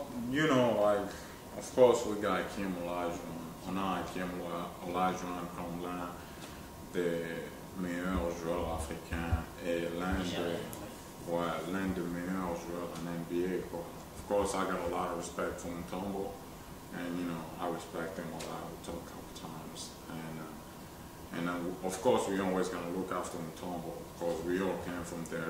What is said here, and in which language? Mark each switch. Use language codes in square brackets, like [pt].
[en] You know, like, of course, we got Kim Olajuwon. [fr] On a Kim Olajuwon comme l'un des meilleurs joueurs africains et l'un des meilleurs joueurs en NBA. [en] But of course, I got a lot of respect for Mutombo, and you know, I respect him a lot. We talked a couple times, and of course, we always gonna look after Mutombo because we all came from there.